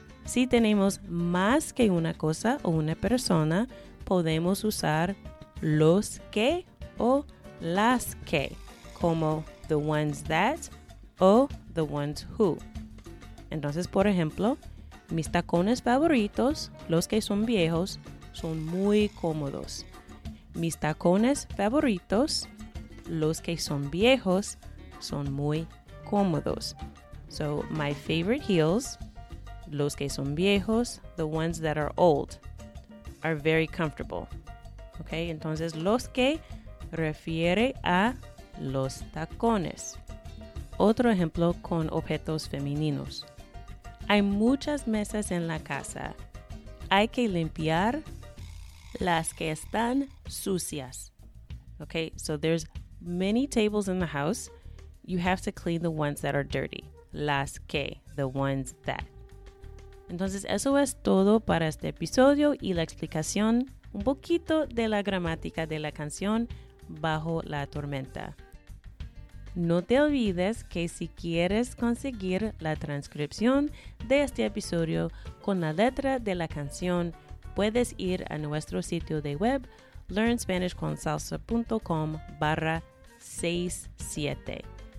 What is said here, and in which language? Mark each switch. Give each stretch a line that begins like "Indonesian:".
Spanish: Si tenemos más que una cosa o una persona, podemos usar los que o las que, como
English: the ones that
Spanish: o
English: the ones who.
Spanish: Entonces, por ejemplo, mis tacones favoritos, los que son viejos, son muy cómodos. Mis tacones favoritos, los que son viejos, son muy cómodos.
English: So, my favorite heels,
Spanish: los que son viejos,
English: the ones that are old, are very comfortable.
Spanish: Okay, entonces los que refiere a los tacones. Otro ejemplo con objetos femeninos. Hay muchas mesas en la casa. hay que limpiar las que están sucias.
English: Okay, so there's many tables in the house. You have to clean the ones that are dirty.
Spanish: Las que,
English: the ones that.
Spanish: Entonces, eso es todo para este episodio y la explicación, un poquito de la gramática de la canción Bajo la Tormenta. No te olvides que si quieres conseguir la transcripción de este episodio con la letra de la canción, puedes ir a nuestro sitio de web learnspanishconsalsa.com/67.